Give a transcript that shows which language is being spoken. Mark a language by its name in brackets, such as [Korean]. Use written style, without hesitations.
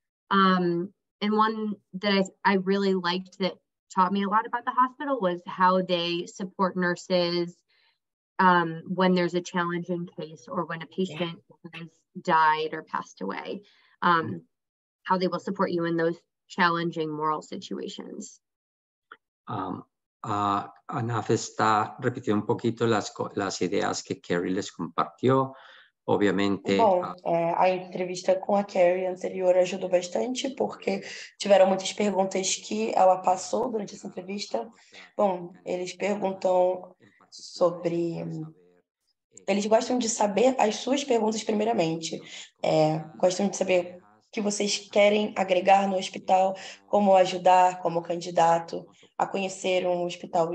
[English] And one that I really liked that taught me a lot about the hospital was how they support nurses when there's a challenging case or when a patient has died or passed away, how they will support you in those challenging moral situations. [Spanish] Anaf está repitiendo un poquito las ideas que Carrie les compartió. Obviamente. [Portuguese] Bom, a entrevista com a Carrie anterior ajudou bastante, porque tiveram muitas perguntas que ela passou durante essa entrevista. Bom, eles perguntam sobre... Eles gostam de saber as suas perguntas primeiramente. É, gostam de saber o que vocês querem agregar no hospital, como ajudar como candidato a conhecer um hospital.